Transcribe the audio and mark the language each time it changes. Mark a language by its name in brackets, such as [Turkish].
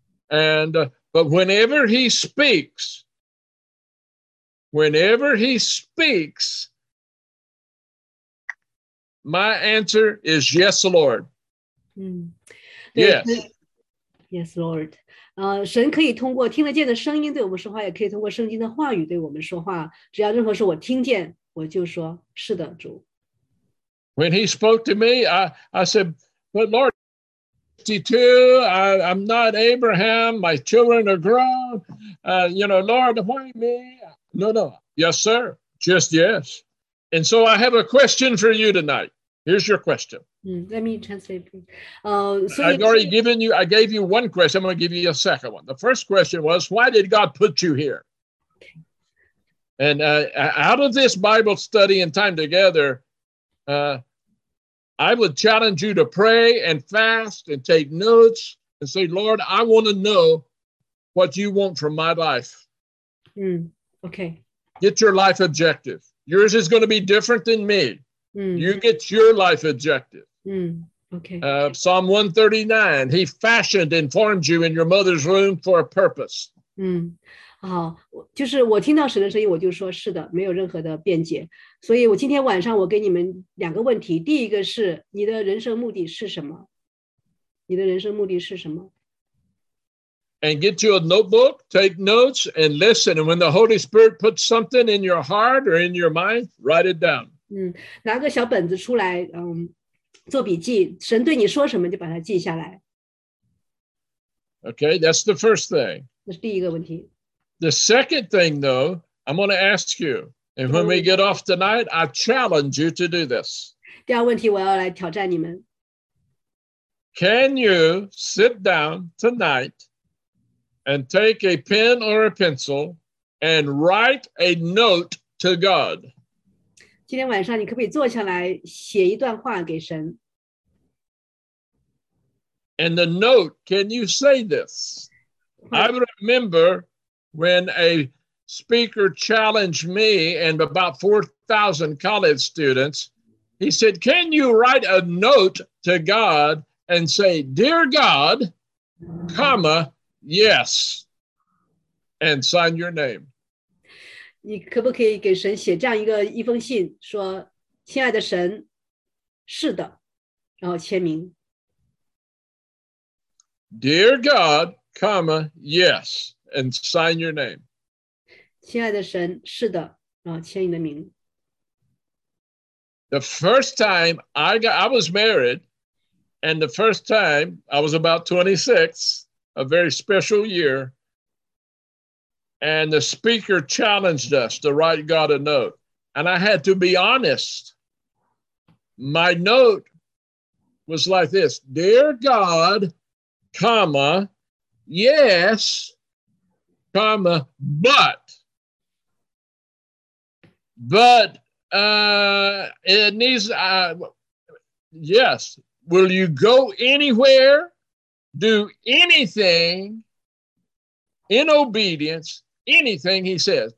[English] But whenever he speaks,My answer is yes, Lord. Yes, Lord. [Chinese] 神可以通过听得见的声音对我们说话，也可以通过圣经的话语对我们说话。只要任何事我听见，我就说是的，主。 [English] When he spoke to me, I said, "But Lord, 52, I'm not Abraham. My children are grown. Lord, why me? No. Yes, sir. Just yes." And so I have a question for you tonight. Here's your question. Let me translate, please. I gave you one question. I'm going to give you a second one. The first question was, why did God put you here? Okay. And out of this Bible study and time together, I would challenge you to pray and fast and take notes and say, Lord, I want to know what you want from my life. Okay. Get your life objective. Yours is going to be different than me. You get your life objective. Psalm 139, he fashioned and formed you in your mother's womb for a purpose. [Chinese] 好，就是我听到神的声音，我就说是的，没有任何的辩解。所以我今天晚上我给你们两个问题。第一个是你的人生目的是什么？你的人生目的是什么？ [English] And get you a notebook, take notes, and listen. And when the Holy Spirit puts something in your heart or in your mind, write it down. [Chinese] 拿个小本子出来做笔记，神对你说什么就把它记下来。 [English] Okay, that's the first thing. [Chinese] 这是第一个问题。 [English] The second thing though, I'm going to ask you, and when we get off tonight, I challenge you to do this. [Chinese] 第二问题我要来挑战你们。 [English] Can you sit down tonight and take a pen or a pencil and write a note to God? [Chinese] 今天晚上你可不可以坐下来写一段话给神 [English] ？And the note, can you say this? I remember when a speaker challenged me and about 4,000 college students. He said, "Can you write a note to God and say, 'Dear God, comma, yes,' and sign your name?" [Chinese] 你可不可以给神写这样一个一封信，说亲爱的神，是的，然后签名。 [English] Dear God, comma, yes, and sign your name. [Chinese] 亲爱的神，是的，然后签你的名。 [English] The first time I was married, and the first time I was about 26, a very special year, and the speaker challenged us to write God a note. And I had to be honest. My note was like this, Dear God, comma, yes, comma, but, will you go anywhere, do anything in obedience, anything he says?